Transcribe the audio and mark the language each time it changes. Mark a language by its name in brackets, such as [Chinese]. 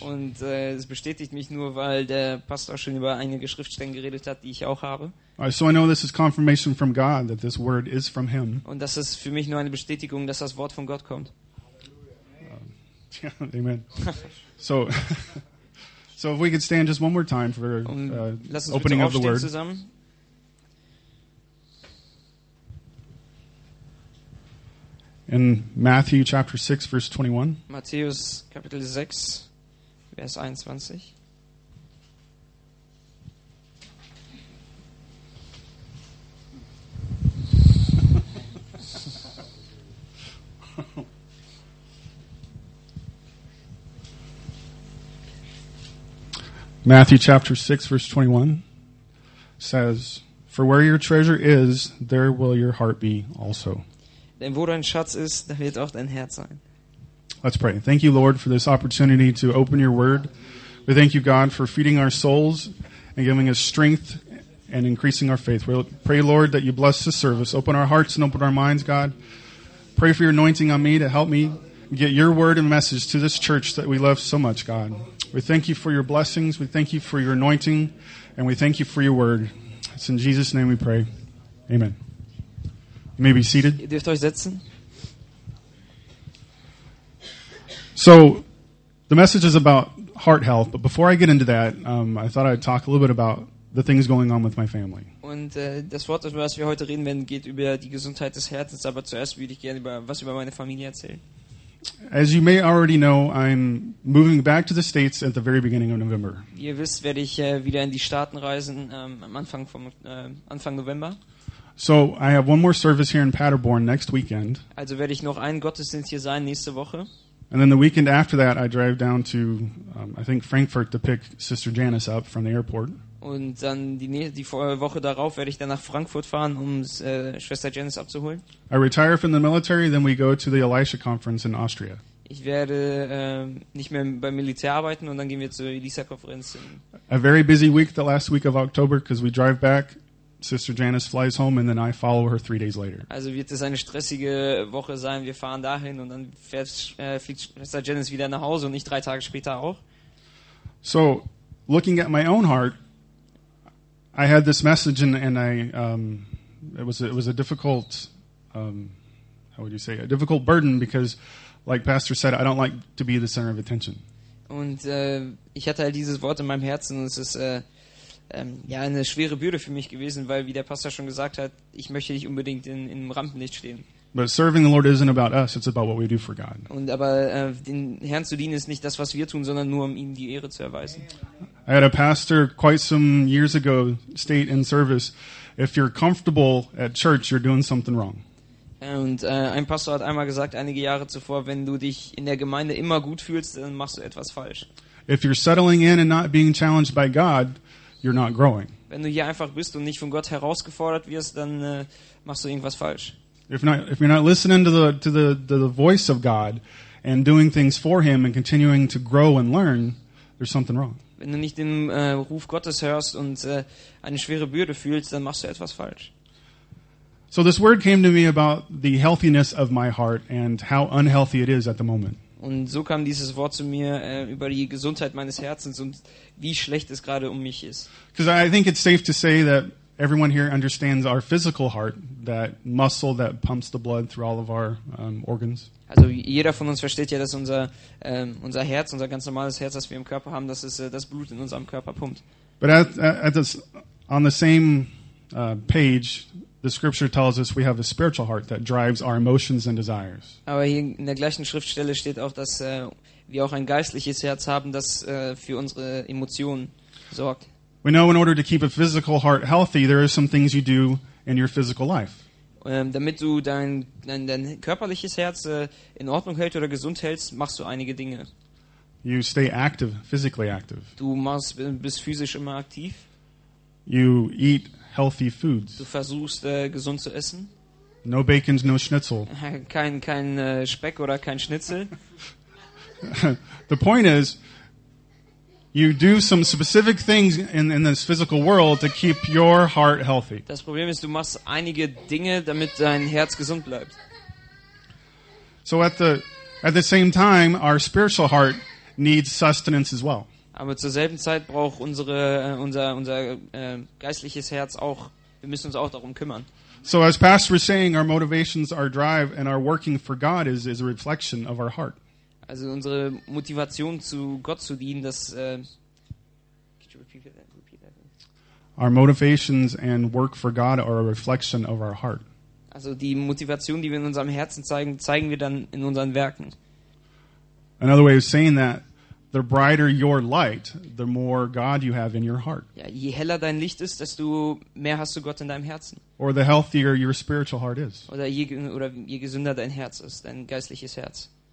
[German] Und es bestätigt mich nur, weil der Pastor schon über einige Schriftstellen geredet hat, die ich auch habe. [English] So I know this is confirmation from God that this word is from him. [German] Und das ist für mich nur eine Bestätigung, dass das Wort von Gott kommt. Amen. [English] So if we could stand just one more time for opening of the word. [German] Zusammen. [English] In Matthew chapter 6, verse 21. [German] Matthäus Kapitel 6, Vers 21. [English] Matthew chapter 6, verse 21 says, "For where your treasure is, there will your heart be also." [German] Denn wo dein Schatz ist, da wird auch dein Herz sein. [English] Let's pray. Thank you, Lord, for this opportunity to open your word. We thank you, God, for feeding our souls and giving us strength and increasing our faith. We pray, Lord, that you bless this service. Open our hearts and open our minds, God. Pray for your anointing on me to help me get your word and message to this church that we love so much, God. We thank you for your blessings. We thank you for your anointing. And we thank you for your word. It's in Jesus' name we pray. Amen. You may be seated. [German] Ihr dürft euch setzen. [English] So, the message is about heart health. But before I get into that, I thought I'd talk a little bit about the things going on with my family. [German] Und das Wort, über das wir heute reden werden, geht über die Gesundheit des Herzens. Aber zuerst würde ich gerne über meine Familie erzählen. [English] As you may already know, I'm moving back to the States at the very beginning of November. [German] Wie ihr wisst, werde ich wieder in die Staaten reisen am Anfang vom Anfang November. [English] So I have one more service here in Paderborn next weekend. [German] Also werde ich noch einen Gottesdienst hier sein nächste Woche. [English] And then the weekend after that I drive down to I think Frankfurt to pick Sister Janice up from the airport. [German] Und dann die Woche darauf werde ich dann nach Frankfurt fahren, um Schwester Janice abzuholen. [English] I retire from the military, then we go to the Elisha conference in Austria. [German] Ich werde nicht mehr beim Militär arbeiten und dann gehen wir zur Elisha Konferenz. [English] A very busy week the last week of October because we drive back. Sister Janice flies home and then I follow her 3 days later. [German] Also wird es eine stressige Woche sein. Wir fahren dahin und dann fliegt Sister Janice wieder nach Hause und ich 3 Tage später auch. [English] So, looking at my own heart, I had this message and I it was a difficult a difficult burden because, like Pastor said, I don't like to be the center of attention. [German] Und ich hatte halt dieses Wort in meinem Herzen und es ist eine schwere Bürde für mich gewesen, weil, wie der Pastor schon gesagt hat, ich möchte nicht unbedingt im Rampenlicht stehen. [English] But serving the Lord isn't about us, it's about what we do for God. [German] Und aber den Herrn zu dienen ist nicht das, was wir tun, sondern nur um ihm die Ehre zu erweisen. [English] I had a pastor quite some years ago state in service, if you're comfortable at church, you're doing something wrong. [German] Und ein Pastor hat einmal gesagt, einige Jahre zuvor, wenn du dich in der Gemeinde immer gut fühlst, dann machst du etwas falsch. [English] If you're settling in and not being challenged by God, you're not growing. [German] Wenn du hier einfach bist und nicht von Gott herausgefordert wirst, dann machst du irgendwas falsch. [English] If you're not listening to the voice of God and doing things for him and continuing to grow and learn, there's something wrong. [German] Wenn du nicht dem Ruf Gottes hörst und eine schwere Bürde fühlst, dann machst du etwas falsch. [English] So this word came to me about the healthiness of my heart and how unhealthy it is at the moment. [German] Und so kam dieses Wort zu mir über die Gesundheit meines Herzens und wie schlecht es gerade um mich ist. [English] Because I think it's safe to say that everyone here understands our physical heart, that muscle that pumps the blood through all of our organs. [German] Also jeder von uns versteht ja, dass unser Herz, unser ganz normales Herz, das wir im Körper haben, dass es das Blut in unserem Körper pumpt. [English] But on the same page, the scripture tells us we have a spiritual heart that drives our emotions and desires. [German] Aber hier in der gleichen Schriftstelle steht auch, dass wir auch ein geistliches Herz haben, das für unsere Emotionen sorgt. [English] We know in order to keep a physical heart healthy, there are some things you do in your physical life. [German] Damit du dein körperliches Herz in Ordnung hält oder gesund hältst, machst du einige Dinge. [English] You stay active, physically active. [German] Du bist physisch immer aktiv. [English] You eat healthy foods. [German] Du versuchst gesund zu essen. [English] No bacon, no schnitzel. [German] Kein Speck oder kein Schnitzel. [English] The point is, you do some specific things in this physical world to keep your heart healthy. [German] Das Problem ist, du machst einige Dinge, damit dein Herz gesund bleibt. [English] So at the same time, our spiritual heart needs sustenance as well. [German] Aber zur selben Zeit braucht unser geistliches Herz auch. Wir müssen uns auch darum kümmern. [English] So as Pastor was saying, our motivations, our drive, and our working for God is a reflection of our heart. [German] Also unsere Motivation zu Gott zu dienen, das [English] could you repeat that? Our motivations and work for God are a reflection of our heart. [German] Also die Motivation, die wir in unserem Herzen zeigen, zeigen wir dann in unseren Werken. [English] Another way of saying that, the brighter your light, the more God you have in your heart. [German] Ja, je heller dein Licht ist, desto mehr hast du Gott in deinem Herzen. [English] Or the healthier your spiritual heart is. [German] Oder je gesünder dein Herz ist, dein geistliches Herz.